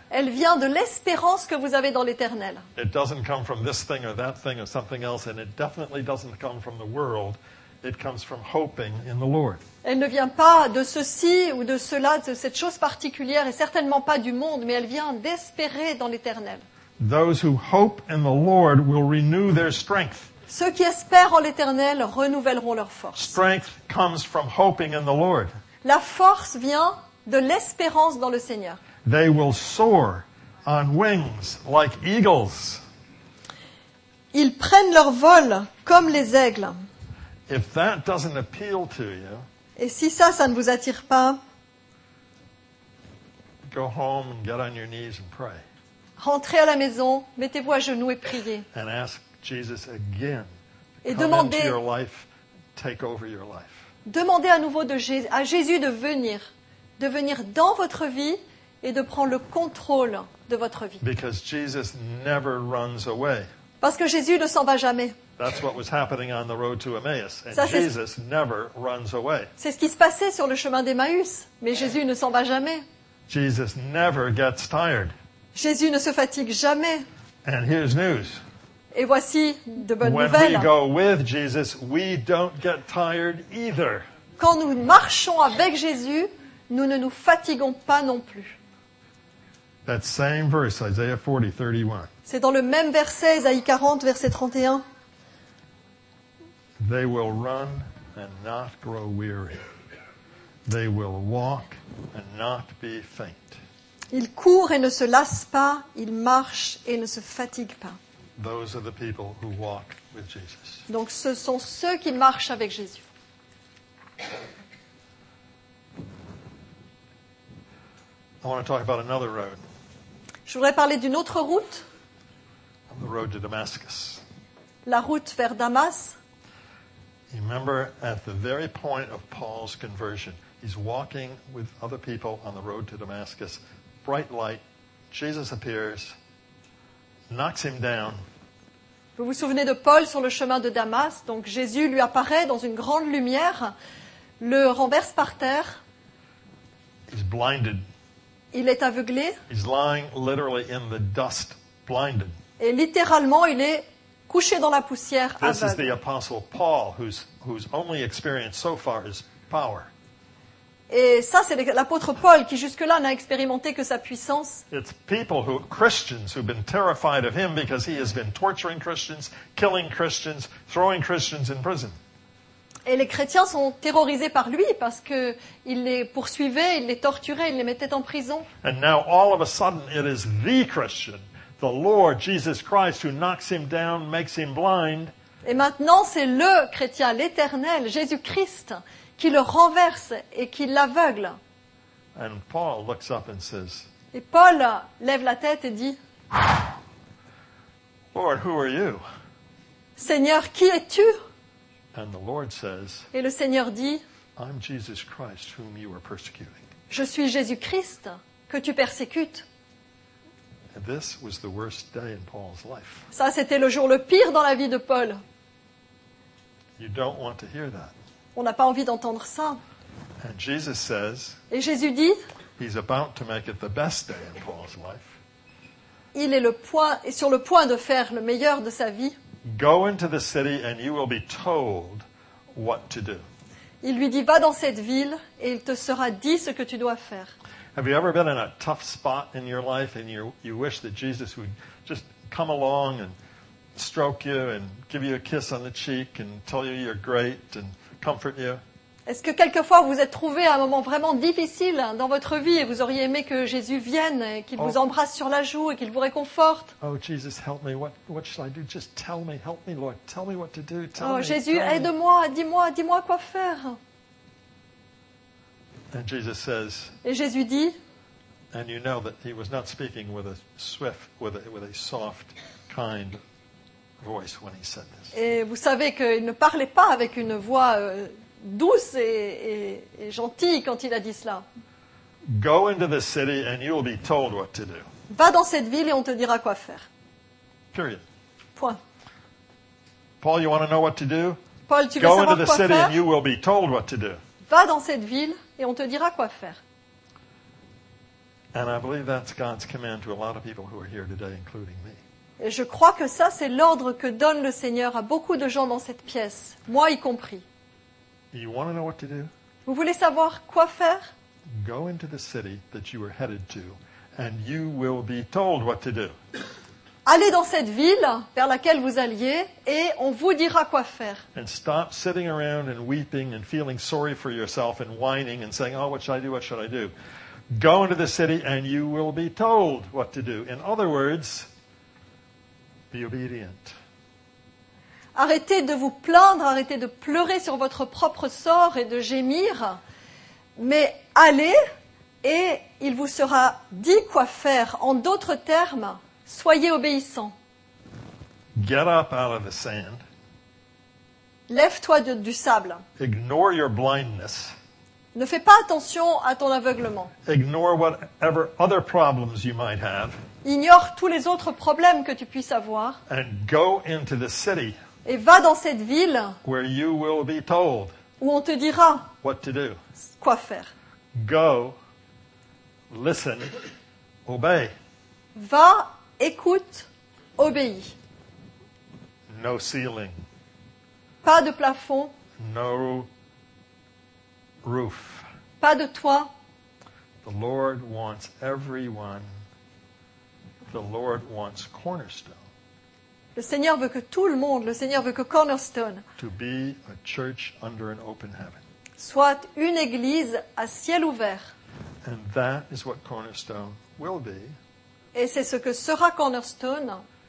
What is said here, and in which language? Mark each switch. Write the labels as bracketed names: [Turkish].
[French] Elle vient de l'espérance que vous avez dans l'Éternel. [English] It doesn't come from this thing or that thing or something else, and it definitely doesn't come from the world. It comes from hoping in the Lord. [French] Elle ne vient pas de ceci ou de cela, de cette chose particulière, et certainement pas du monde, mais elle vient d'espérer dans l'Éternel. [English] Those who hope in the Lord will renew their strength. [French] Ceux qui espèrent en l'Éternel renouvelleront leur force. [English] Strength comes from hoping in the Lord. [French] La force vient de l'espérance dans le Seigneur. [English] They will soar on wings like eagles. [French] Ils prennent leur vol comme les aigles. [English] If that doesn't appeal to you, [French] et si ça, ça ne vous attire pas, [English] go home and get on your knees and pray. [French] Rentrez à la maison, mettez-vous à genoux et priez. [English] And ask Jesus again to [French] et [English] come into your life, take over your life. [French] Demandez à nouveau à Jésus de venir dans votre vie et de prendre le contrôle de votre vie. [English] Because Jesus never runs away. [French] Parce que Jésus ne s'en va jamais. [English] That's what was happening on the road to Emmaus, and Jesus never runs away. [French] C'est ce qui se passait sur le chemin d'Emmaüs, mais Jésus ne s'en va jamais. [English] Jesus never gets tired. [French] Jésus ne se fatigue jamais. [English] And here's news. [French] Et voici de bonnes [English] When [French] nouvelles. [English] When we go with Jesus, we don't get tired either. [French] Quand nous marchons avec Jésus, nous ne nous fatiguons pas non plus. [English] That same verse, Isaiah 40, 31. [French] C'est dans le même verset, Isaïe 40, verset 31. [English] They will run and not grow weary. They will walk and not be faint. [French] Ils courent et ne se lassent pas. Ils marchent et ne se fatiguent pas. [English] Those are the people who walk with Jesus. [French] Donc ce sont ceux qui marchent avec Jésus. [English] I want to talk about another road. [French] Je voudrais parler d'une autre route. [English] The road to Damascus. [French] La route vers Damas. [English] You remember at the very point of Paul's conversion, he's walking with other people on the road to Damascus. Bright light, Jesus appears, knocks him down. [French] Vous vous souvenez de Paul sur le chemin de Damas, donc Jésus lui apparaît dans une grande lumière, le renverse par terre. [English] He's blinded. [French] Il est aveuglé. [English] He's lying literally in the dust, blinded. [French] Et littéralement, il est couché dans la poussière [English] This [French] aveugle. [English] Is the apostle Paul whose only experience so far is power. [French] Et ça, c'est l'apôtre Paul qui jusque-là n'a expérimenté que sa puissance. [English] It's people who Christians who've been terrified of him because he has been torturing Christians, killing Christians, throwing Christians in prison. [French] Et les chrétiens sont terrorisés par lui parce que il les poursuivait, il les torturait, il les mettait en prison. [English] And now all of a sudden it is the Christian, the Lord Jesus Christ who knocks him down, makes him blind. [French] Et maintenant c'est le chrétien, l'Éternel, Jésus-Christ qui le renverse et qui l'aveugle. [English] And Paul looks up and says, [French] et Paul lève la tête et dit, [English] Lord, who are you? [French] Seigneur, qui es-tu? [English] And the Lord says, [French] et le Seigneur dit, [English] I'm Jesus Christ whom you are persecuting. [French] Je suis Jésus-Christ que tu persécutes. [English] And this was the worst day in Paul's life. [French] Ça, c'était le jour le pire dans la vie de Paul. [English] You don't want to hear that. [French] On n'a pas envie d'entendre ça. [English] And Jesus says, [French] et Jésus dit, [English] he's about to make it the best day in Paul's life. [French] Il est sur le point de faire le meilleur de sa vie. [English] Go into the city and you will be told what to do. [French] Il lui dit, va dans cette ville et il te sera dit ce que tu dois faire. [English] Have you ever been in a tough spot in your life and you wish that Jesus would just come along and stroke you and give you a kiss on the cheek and tell you you're great and comfort you? [French] Est-ce que quelquefois vous êtes trouvé à un moment vraiment difficile dans votre vie et vous auriez aimé que Jésus vienne et qu'il vous embrasse sur la joue et qu'il vous réconforte? [English] Oh Jesus, help me. What should I do? Just tell me. Help me, Lord. Tell me what to do. [French] Oh Jésus, aide-moi. Dis-moi quoi faire. [English] And Jesus says. [French] Et Jésus dit. [English] And you know that he was not speaking with a soft, kind voice when he said this. [French] Et vous savez qu'il ne parlait pas avec une voix douce et gentille quand il a dit cela. [English] Go into the city and you will be told what to do. [French] Va dans cette ville et on te dira quoi faire. [English] Period. [French] Point. [English] Paul, you want to know what to do? [French] Paul, tu [English] Go [French] veux [English] into [French] savoir [English] the [French] quoi [English] city [French] faire? [English] And you will be told what to do. [French] Va dans cette ville et on te dira quoi faire. [English] And I believe that's God's command to a lot of people who are here today, including me. [French] Et je crois que ça, c'est l'ordre que donne le Seigneur à beaucoup de gens dans cette pièce, moi y compris. [English] You want to know what to do? [French] Vous voulez savoir quoi faire? [English] Go into the city that you are headed to, and you will be told what to do. [French] Allez dans cette ville vers laquelle vous alliez, et on vous dira quoi faire. [English] And stop sitting around and weeping and feeling sorry for yourself and whining and saying, oh, what should I do? What should I do? Go into the city, and you will be told what to do. In other words, be obedient. [French] Arrêtez de vous plaindre, arrêtez de pleurer sur votre propre sort et de gémir, mais allez et il vous sera dit quoi faire. En d'autres termes, soyez obéissant. [English] Get up out of the sand. [French] Lève-toi du sable. [English] Ignore your blindness. [French] Ne fais pas attention à ton aveuglement. [English] Ignore whatever other problems you might have. [French] Ignore tous les autres problèmes que tu puisses avoir. [English] And go into the city [French] et va dans cette ville [English] where you will be told [French] où on te dira [English] what to do. [French] Quoi faire. [English] Go, listen, obey. [French] Va, écoute, obéis. [English] No ceiling. [French] Pas de plafond. [English] No roof. [French] Pas de toit. [English] The Lord wants everyone. The Lord wants Cornerstone. [French] Le Seigneur veut que tout le monde, le Seigneur veut que Cornerstone [English] to be a church under an open heaven. [French] Soit une église à ciel ouvert. [English] And that is what Cornerstone will be. [French] Et c'est ce que sera Cornerstone